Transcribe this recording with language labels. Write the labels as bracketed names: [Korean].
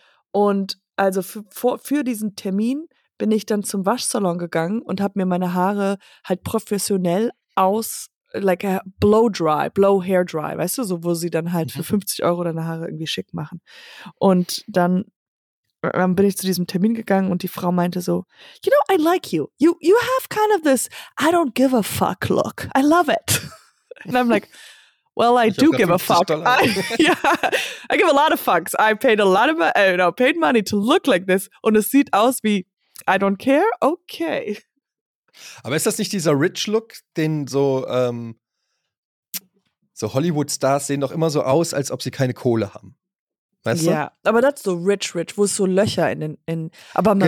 [German] Und also für diesen Termin bin ich dann zum Waschsalon gegangen und habe mir meine Haare halt professionell [English] blow hair dry, [German] weißt du, so wo sie dann halt für 50 Euro deine Haare irgendwie schick machen. Und dann bin ich zu diesem Termin gegangen und die Frau meinte so, [English] you know, I like you. You have kind of this, I don't give a fuck look. I love it. And I'm like, well, I do give a fuck. I give a lot of fucks. I paid a lot of paid money to look like this. [German] Und es sieht aus wie, [English] I don't care, okay. [German] Aber ist das nicht dieser rich look, den so, so Hollywood-Stars sehen doch immer so aus, als ob sie keine Kohle haben. Weißt du? Ja, aber das ist so rich, wo es so Löcher in aber man